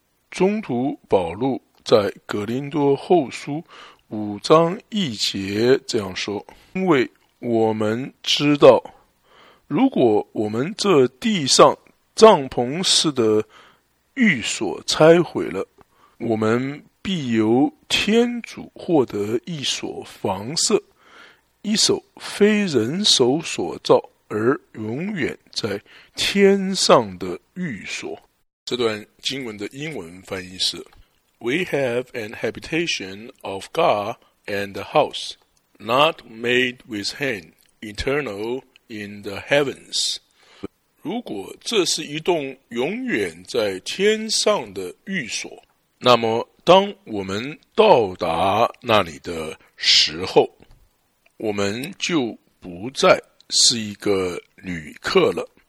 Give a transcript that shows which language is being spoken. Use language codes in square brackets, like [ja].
[zh] 中途保禄在格林多后书五章一节这样说，因为我们知道，如果我们这地上帐篷式的寓所拆毁了，我们必由天主获得一所房舍，一手非人手所造而永远在天上的寓所。这段经文的英文翻译是 [en] We have an habitation of God and a house not made with hand, eternal in the heavens. [zh] 如果这是一栋永远在天上的寓所，那么当我们到达那里的时候，我们就不再是一个旅客了。